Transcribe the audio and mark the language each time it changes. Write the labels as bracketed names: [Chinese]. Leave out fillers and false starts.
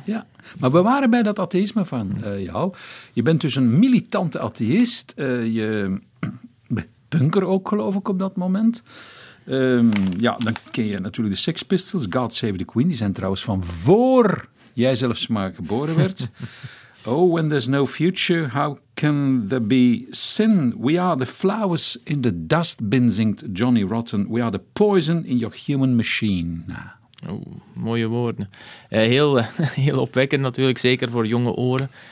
[Dutch] Ja, maar we waren bij dat atheïsme van jou. Je bent dus een militante atheïst. Je bent punker ook, geloof ik, op dat moment. Dan ken je natuurlijk de Sex Pistols, God Save the Queen. Die zijn trouwens van voor jij zelfs maar geboren werd. [English] Oh, when there's no future, how can there be sin? We are the flowers in the dustbin, [Dutch] zingt [English] Johnny Rotten. We are the poison in your human machine. [Dutch] Oh, mooie woorden. Heel opwekkend natuurlijk, zeker voor jonge oren.